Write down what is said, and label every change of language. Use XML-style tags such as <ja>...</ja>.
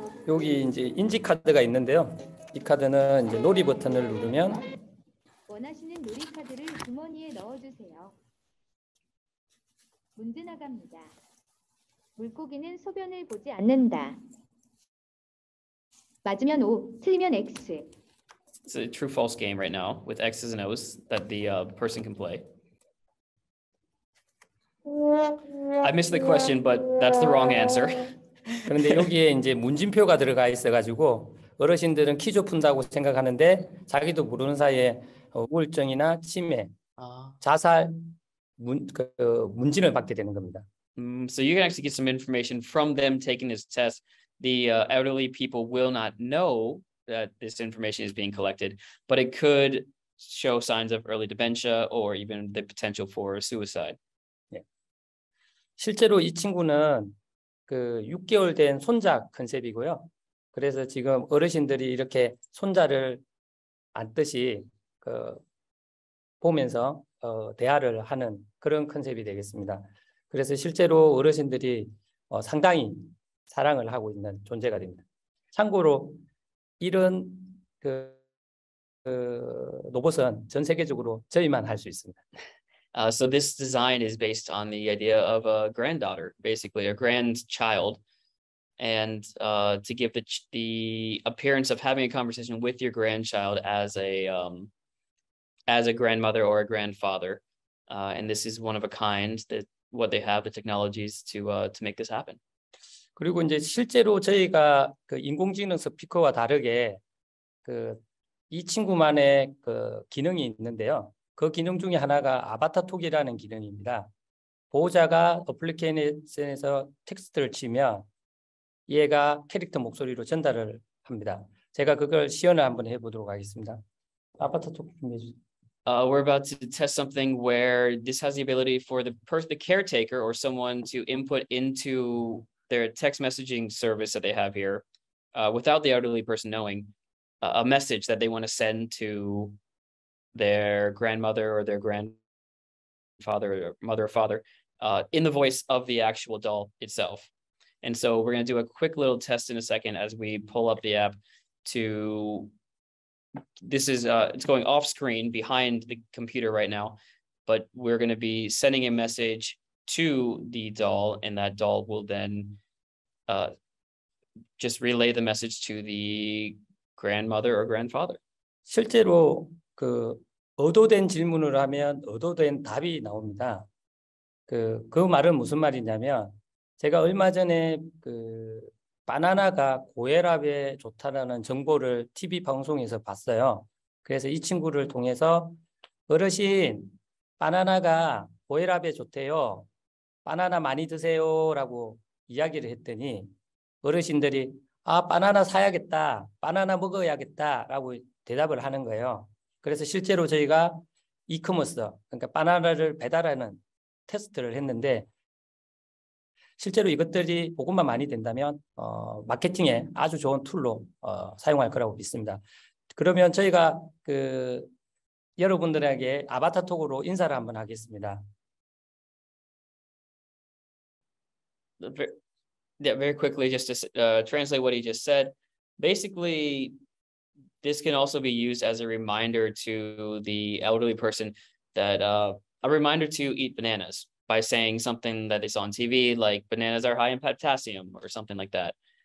<ko>여기 이제 인지 카드가 있는데요. 이 카드는 이제 놀이 버튼을 누르면 원하시는 놀이 카드를 주머니에 넣어주세요. 문제 나갑니다. 물고기는 소변을 보지 않는다. 맞으면 O, 틀리면 X.</ko> <en>It's a true-false game right now with X's and O's that the person can play. I missed the question, but that's the wrong answer.</en> <ko>그런데 여기에 이제 문진표가 들어가 있어가지고 어르신들은 퀴즈 푼다고 생각하는데 자기도 모르는 사이에 우울증이나 치매, 자살, 문진을 받게 되는 겁니다.</ko> <en>So you can actually get some information from them taking this test. The elderly people will not know that this information is being collected, but it could show signs of early dementia or even the potential for suicide.</en> <ko>실제로 이 친구는 그 6개월 된 손자 컨셉이고요. 그래서 지금 어르신들이 이렇게 손자를 안듯이 그 보면서 대화를 하는 그런 컨셉이 되겠습니다. 그래서 실제로 어르신들이 상당히 사랑을 하고 있는 존재가 됩니다. 참고로 이런 그 로봇은 전 세계적으로 저희만 할 수 있습니다.</ko> <en>So this design is based on the idea of a granddaughter, basically a grandchild, and to give the appearance of having a conversation with your grandchild as a grandmother or a grandfather, and this is one of a kind that what they have the technologies to make this happen.</en> <ko>그리고 이제 실제로 저희가 그 인공지능 스피커와 다르게 그 이 친구만의 그 기능이 있는데요. 그 기능 중에 하나가 아바타 톡이라는 기능입니다. 보호자가 어플리케이션에서 텍스트를 치면 얘가 캐릭터 목소리로 전달을 합니다. 제가 그걸 시연을 한번 해보도록 하겠습니다. 아바타 톡 준비해 주세요.</ko> <en>We're about to test something where this has the ability for the caretaker or someone to input into their text messaging service that they have here without the elderly person knowing a message that they want to send to their grandmother or their grandfather or mother or father in the voice of the actual doll itself. And so we're going to do a quick little test in a second as we pull up the app to this is it's going off screen behind the computer right now, but we're going to be sending a message to the doll and that doll will then just relay the message to the grandmother or grandfather.</en> <ko>실제로 그 의도된 질문을 하면 의도된 답이 나옵니다. 그 말은 무슨 말이냐면 제가 얼마 전에 그 바나나가 고혈압에 좋다라는 정보를 TV 방송에서 봤어요. 그래서 이 친구를 통해서 어르신 바나나가 고혈압에 좋대요. 바나나 많이 드세요 라고 이야기를 했더니 어르신들이 아 바나나 사야겠다 바나나 먹어야겠다 라고 대답을 하는 거예요. 그래서 실제로 저희가 이커머스, 그러니까 바나나를 배달하는 테스트를 했는데 실제로 이것들이 보급만 많이 된다면 마케팅에 아주 좋은 툴로 사용할 거라고 믿습니다. 그러면 저희가 그 여러분들에게 아바타 톡으로 인사를 한번 하겠습니다.</ko> <en>Very quickly, just to translate what he just said, basically this can also be used as a reminder to the elderly person that a reminder to eat bananas by saying something that is on TV, like bananas are high in potassium or something like that.</en>